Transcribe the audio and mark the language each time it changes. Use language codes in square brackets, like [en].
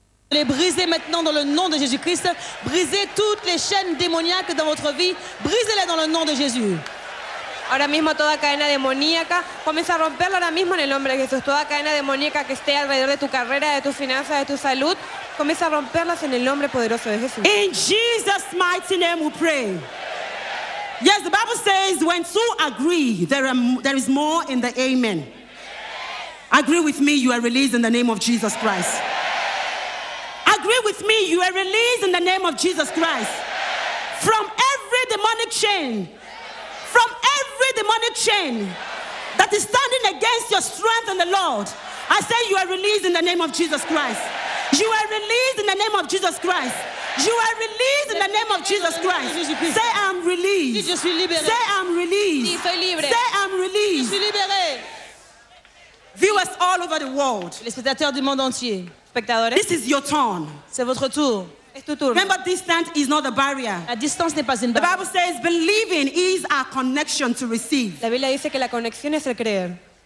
[fr] Les brisez maintenant dans le nom de Jésus-Christ. Brisez toutes les chaînes démoniaques dans votre vie. Brisez-les dans le nom de Jésus. [es] Ahora mismo toda cadena demoníaca, comienza a romperla ahora mismo en el nombre de Jesús. Toda cadena demoníaca que esté alrededor de tu carrera, de tus finanzas, de tu salud, comienza a romperlas en el nombre poderoso de Jesús. [en] In Jesus' mighty name we pray. Yes, the Bible says when two agree, there is more in the amen. Agree with me, you are released in the name of Jesus Christ. Agree with me, you are released in the name of Jesus Christ. From every demonic chain, from every demonic chain that is standing against your strength in the Lord, I say you are released in the name of Jesus Christ. You are released in the name of Jesus Christ. You are released in the name of Jesus Christ. Say, I'm released. Say, I'm released. Say, I'm released. Viewers all over the world, [fr] les spectateurs du monde entier, spectateurs, [en] this is your turn. [fr] C'est votre tour. [en] Remember, distance is not a barrier. [fr] La distance n'est pas une barrière. [en] The Bible says believing is our connection to receive. [es] La Biblia dice que la conexión es el creer.